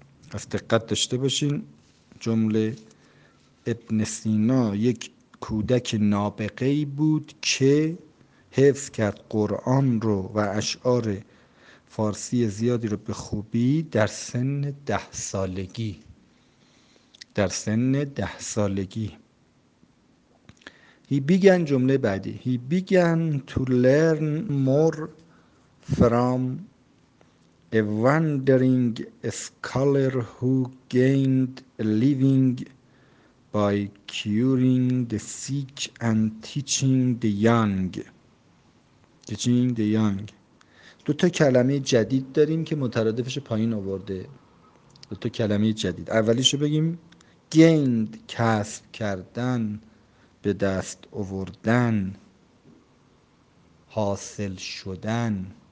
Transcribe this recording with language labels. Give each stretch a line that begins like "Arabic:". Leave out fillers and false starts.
Persian: از دقت داشته باشین جمله، ابن سینا یک کودک نابغه‌ای بود که حفظ کرد قرآن رو و اشعار فارسی زیادی رو به خوبی در سن 10 سالگی. در سن 10 سالگی.
English: He began،
Persian: جمله بعدی،
English: He began to learn more from a wandering scholar who gained a living by curing the sick and teaching the young.
Persian: دو تا کلمه جدید داریم که مترادفش پایین آورده. دو تا کلمه جدید، اولیشو بگیم، gained، کسب کردن، به دست آوردن، حاصل شدن.